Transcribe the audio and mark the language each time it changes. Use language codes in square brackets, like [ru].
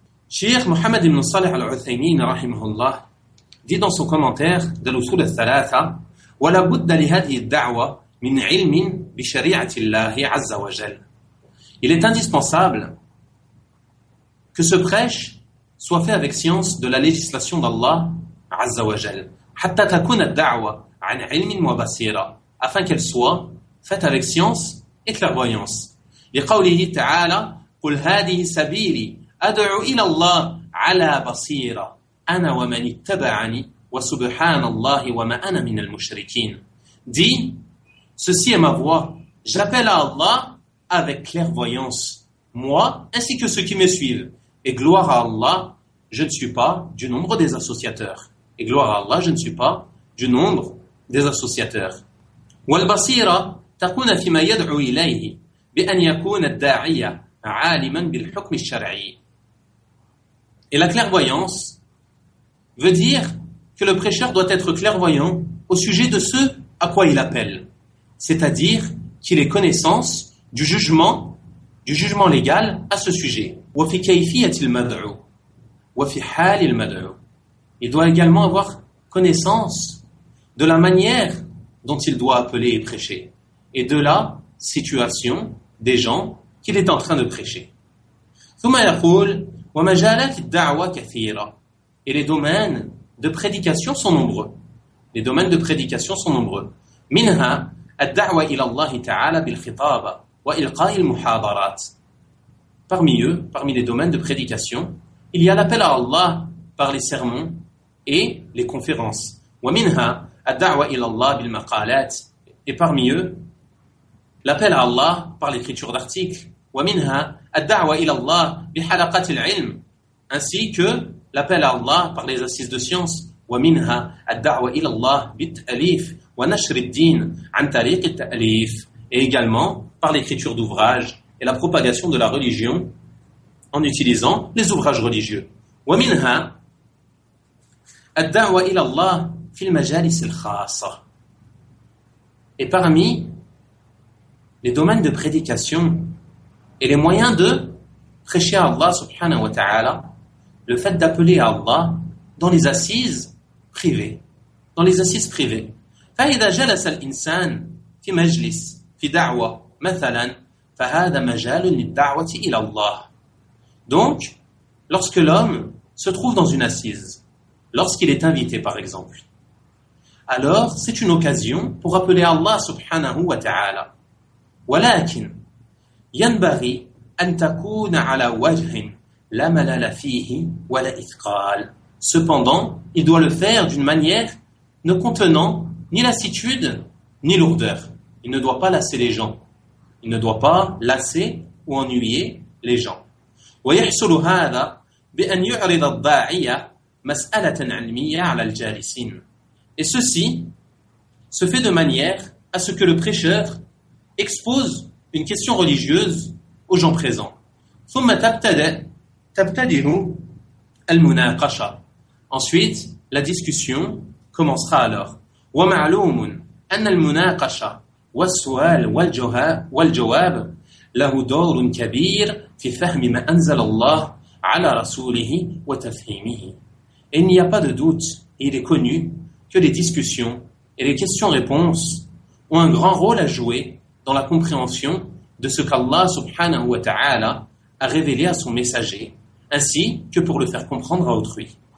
[fr] Cheikh Mohammed ibn Salih al-Uthaymin rahimahullah dit dans son commentaire de l'usul al-thalatha [ar] وَلَا بُدَّ لِهَذِهِ الدَّعْوَى مِنْ عِلْمٍ بِشَرِيعَةِ اللَّهِ عَزَّ وَجَلْ [fr] Il est indispensable que ce prêche soit fait avec science de la législation d'Allah [ar] عز وجل حتى تكون الدعوة عن علم وبصيرة [fr] afin qu'elle soit faite avec science et clairvoyance. [ar] لقوله تعالى قل هذه سبيلي أدعو إلى الله على بصيرة أنا ومن اتبعني وسبحان الله وما أنا من المشركين. [fr] Dit, ceci est ma voix. J'appelle à Allah avec clairvoyance, moi ainsi que ceux qui me suivent. Et gloire à Allah, je ne suis pas du nombre des associateurs. Et gloire à Allah, je ne suis pas du nombre des associateurs. [ar] والبصيرة تكون فيما يدعو إليه بأن يكون الداعية عالما بالحكم الشرعي. [fr] Et la clairvoyance veut dire que le prêcheur doit être clairvoyant au sujet de ce à quoi il appelle, c'est-à-dire qu'il ait connaissance du jugement légal à ce sujet. [ar] وفي كيفية المدعو وفي حال المدعو. [fr] Il doit également avoir connaissance de la manière dont il doit appeler et prêcher, et de la situation des gens qu'il est en train de prêcher. [ar] ثم يقول ومجالات الدعوة كثيرة. [fr] Et les domaines de prédication sont nombreux. Les domaines de prédication sont nombreux. [ar] منها الدعوة إلى الله تعالى بالخطابة وإلقاء المحاضرات. [fr] Parmi eux, parmi les domaines de prédication, il y a l'appel à Allah par les sermons et les conférences. [ar] ومنها الدعوة إلى الله بالمقالات. [fr] Et parmi eux, l'appel à Allah par l'écriture d'articles. [ar] ومنها الدعوة إلى الله بحلقات العلم. [fr] Ainsi que l'appel à Allah par les assises de science. [ar] ومنها الدعوة إلى الله بالتأليف ونشر الدين عن طريق التأليف. [fr] Et également par l'écriture d'ouvrages et la propagation de la religion en utilisant les ouvrages religieux. [ar] ومنها الدعوة إلى الله في المجالس الخاصة. [fr] Et parmi les domaines de prédication et les moyens de prêcher à Allah subhanahu wa ta'ala, le fait d'appeler à Allah dans les assises privées. Dans les assises privées. [ar] فإذا جلس الإنسان في مجلس في دعوة مثلا فهذا مجال للدعوة إلى الله. [fr] Donc, lorsque l'homme se trouve dans une assise, lorsqu'il est invité par exemple, alors c'est une occasion pour appeler Allah subhanahu wa ta'ala. [ar] ولكن ينبغي أن تكون على وجه لا ملل فيه ولا إثقال. [fr] Cependant, il doit le faire d'une manière ne contenant ni lassitude ni lourdeur. Il ne doit pas lasser les gens. Il ne doit pas lasser ou ennuyer les gens. [ar] ويحصل هذا بأن يعرض الداعية مسألة علمية على الجالسين. [fr] Et ceci se fait de manière à ce que le prêcheur expose une question religieuse aux gens présents. [ar] ثم تبتدئ المناقشة. [fr] Ensuite, la discussion commencera alors. [ar] ومعلوم أن المناقشة والسؤال والجواب له دور كبير في فهم ما أنزل الله على رسوله وتفهيمه. [fr] Il n'y a pas de doute, il est connu que les discussions et les questions-réponses ont un grand rôle à jouer dans la compréhension de ce qu'Allah subhanahu wa ta'ala a révélé à son messager, ainsi que pour le faire comprendre à autrui.